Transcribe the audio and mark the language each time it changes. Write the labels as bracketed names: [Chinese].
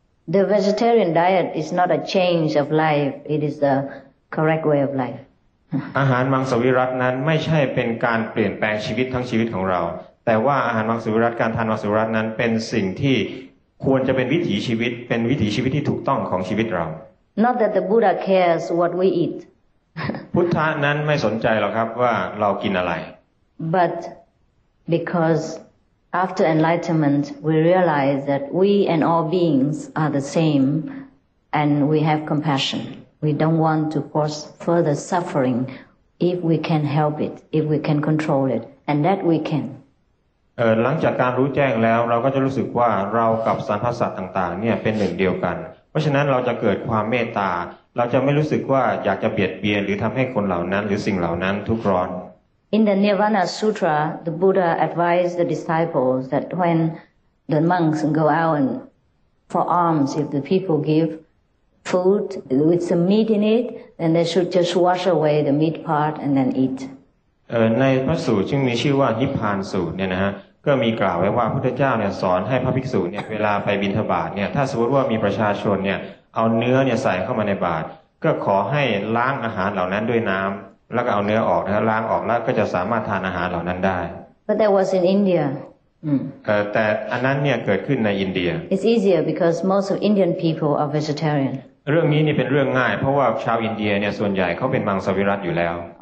[English] The vegetarian diet is not a change of life. It is the correct way of life. [Thai] อาหารมังสวิรัตินั้นไม่ใช่เป็นการเปลี่ยนแปลงชีวิตทั้งชีวิตของเราแต่ว่าอาหารมังสวิรัติการทานมังสวิรัตินั้นเป็นสิ่งที่ควรจะเป็นวิถีชีวิตเป็นวิถีชีวิตที่ถูกต้องของชีวิตเรา [English] Not that the Buddha cares what we eat. [Thai] พุทธะนั้นไม่สนใจหรอกครับว่าเรากินอะไร [English] But becauseAfter enlightenment, we realize that we and all beings are the same, and we have compassion. We don't want to cause further suffering if we can help it, if we can control it, and that we can. [Thai] หลังจากการรู้แจ้งแล้วเราก็จะรู้สึกว่าเรากับสรรพสัตว์ต่างๆเนี่ยเป็นหนึ่งเดียวกันเพราะฉะนั้นเราจะเกิดความเมตตาเราจะไม่รู้สึกว่าอยากจะเบียดเบียนหรือทำให้คนเหล่านั้นหรือสิ่งเหล่านั้นทุกข์ร้อน [English] In the Nirvana Sutra, the Buddha advised the disciples that when the monks go out and for alms, if the people give food with some meat in it, then they should just wash away the meat part and then eat. [Thai] ในพระสูตรซึ่งมีชื่อว่านิพพานสูตรเนี่ยนะฮะก็มีกล่าวไว้ว่าพุทธเจ้าเนี่ยสอนให้พระภิกษุเนี่ยเวลาไปบิณฑบาตเนี่ยถ้าสมมติว่ามีประชาชนเนี่ยเอาเนื้อเนี่ยใส่เข้ามาในบาตรก็ขอให้ล้างอาหารเหล่านั้นด้วยน้ำแล้วก็เอาเนื้อออกนะล้างออกแล้วก็จะสามารถทานอาหารเหล่านั้นได้ [English] But that was in India. [Thai] แต่อันนั้นเนี่ยเกิดขึ้นในอินเดีย [English] It's easier because most of Indian people are vegetarian. [Thai] เรื่องนี้นี่เป็นเรื่องง่ายเพราะว่าชาวอินเดียเนี่ยส่วนใหญ่เขาเป็นมังสวิรัติอยู่แล้ว